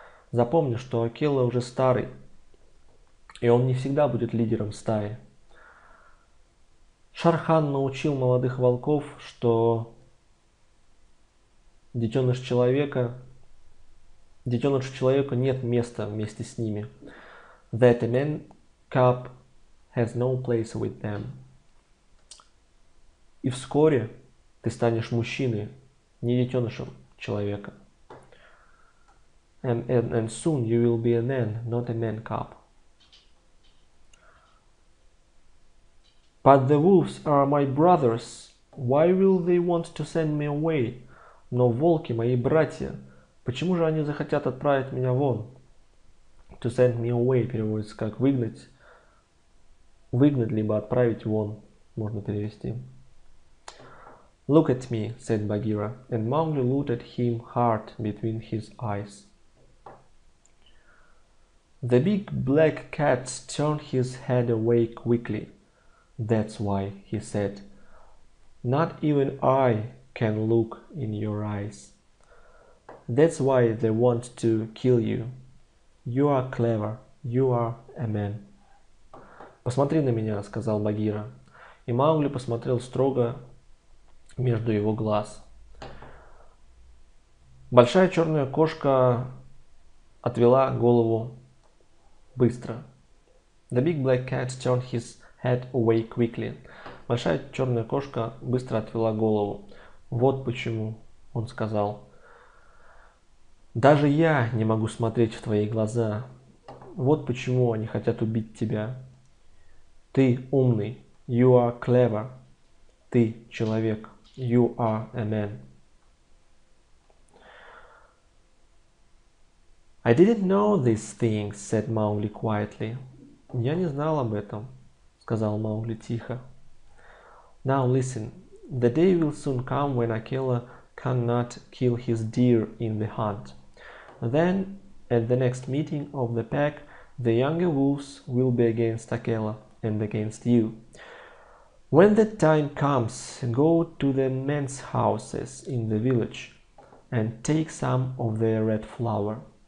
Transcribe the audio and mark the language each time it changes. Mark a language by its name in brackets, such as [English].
[Russian] Запомни, что Акела уже старый, и он не всегда будет лидером стаи. Шархан научил молодых волков, что детенышу человека нет места вместе с ними. [English] That a man cub has no place with them. [Russian] И вскоре ты станешь мужчиной, не детенышем человека. [English] And soon you will be a man, not a man cub. But the wolves are my brothers. Why will they want to send me away? [Russian] Но волки мои братья. Почему же они захотят отправить меня вон? [English] To send me away [Russian] переводится как выгнать. Выгнать либо отправить вон можно перевести. [English] Look at me, said Bagheera, and Mowgli looked at him hard between his eyes. The big black cat turned his head away quickly. That's why, he said. Not even I can look in your eyes. That's why they want to kill you. You are clever. You are a man. [Russian] Посмотри на меня, сказал Багира. И Маугли посмотрел строго между его глаз. Большая черная кошка отвела голову быстро. [English] The big black cat turned his head away quickly. [Russian] Большая черная кошка быстро отвела голову. Вот почему, он сказал. Даже я не могу смотреть в твои глаза. Вот почему они хотят убить тебя. Ты умный. [English] You are clever. [Russian] Ты человек. [English] You are a man. I didn't know these things, said Mowgli quietly. [Russian] Я не знал об этом, сказал Маугли тихо. [English] Now listen. The day will soon come when Akela cannot kill his deer in the hunt. Then, at the next meeting of the pack, the younger wolves will be against Akela and against you. When that time comes, go to the men's houses in the village and take some of their red flour.